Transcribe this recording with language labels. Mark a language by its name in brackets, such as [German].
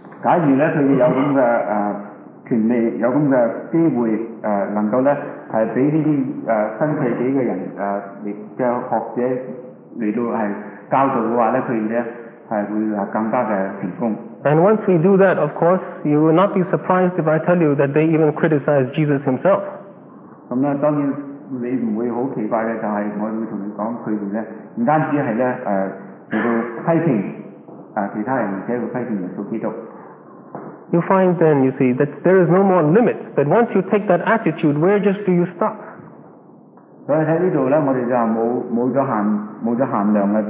[Cantonese] 假如咧，佢哋有咁嘅权利，有咁嘅机会，能够咧系俾呢啲新世纪嘅人嘅学者嚟到系教导嘅话咧，佢哋咧系会更加嘅成功。 [English] And once we do that, of course, you will not be surprised if I tell you that they even criticize Jesus himself. [Cantonese] 咁咧，当然你唔会好奇怪嘅，就系我会同你讲，佢哋咧唔单止系咧嚟到批评其他人，而且会批评耶稣基督。 [English] You find then, you see, that there is no more limit. But once you take that attitude, where just do you stop? [Cantonese] 所以喺呢度咧，我哋就冇咗限量嘅。